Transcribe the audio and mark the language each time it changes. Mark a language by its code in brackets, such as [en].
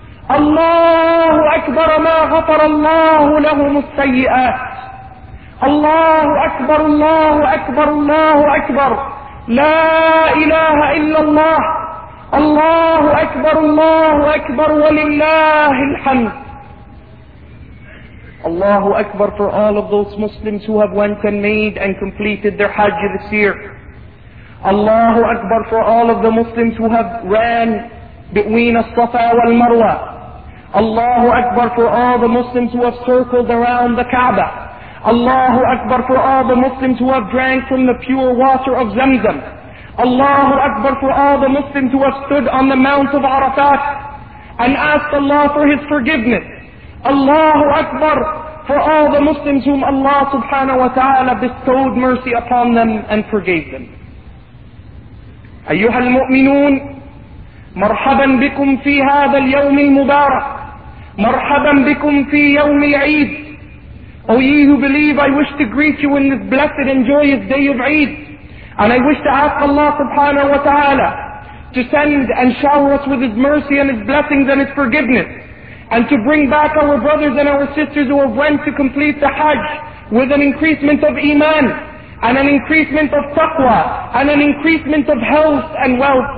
[ar] الله أكبر ما غفر الله لهم السيئات. الله أكبر، الله أكبر، الله أكبر، لا إله إلا الله، الله أكبر، الله أكبر، ولله الحمد. الله أكبر [en] for all of those Muslims who have went and made and completed their Hajj this year. [ar] الله أكبر [en] for all of the Muslims who have ran between الصفا والمروة. [ar] الله أكبر [en] for all the Muslims who have circled around the Kaaba. [ar] الله أكبر [en] for all the Muslims who have drank from the pure water of Zamzam. [ar] الله أكبر [en] for all the Muslims who have stood on the Mount of Arafat and asked Allah for His forgiveness. [ar] الله أكبر [en] for all the Muslims whom Allah subhanahu wa ta'ala bestowed mercy upon them and forgave them. [ar] أيها المؤمنون، مرحبا بكم في هذا اليوم المبارك، مرحبا بكم في يوم العيد. [en] O ye who believe, I wish to greet you in this blessed and joyous day of Eid. And I wish to ask Allah subhanahu wa ta'ala to send and shower us with His mercy and His blessings and His forgiveness. And to bring back our brothers and our sisters who have went to complete the Hajj with an increasement of Iman and an increasement of Taqwa and an increasement of health and wealth.